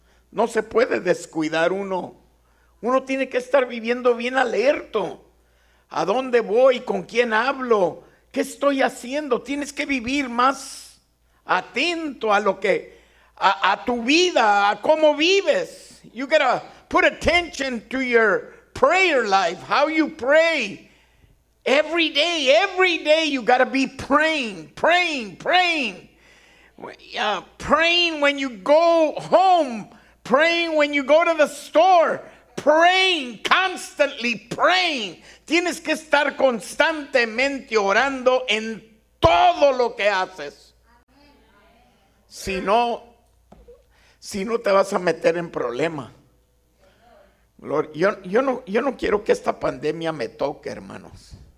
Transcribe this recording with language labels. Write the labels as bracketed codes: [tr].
[es] No se puede descuidar uno. Uno tiene que estar viviendo bien alerto. ¿A dónde voy? ¿Con quién hablo? ¿Qué estoy haciendo? Tienes que vivir más atento a lo que, a tu vida, a cómo vives. [en] You gotta put attention to your prayer life, how you pray. Every day you gotta be praying. Praying when you go home, praying when you go to the store, praying, constantly praying. [es] Tienes que estar constantemente orando en todo lo que haces. Si no te vas a meter en problema. Yo no quiero que esta pandemia me toque, hermanos.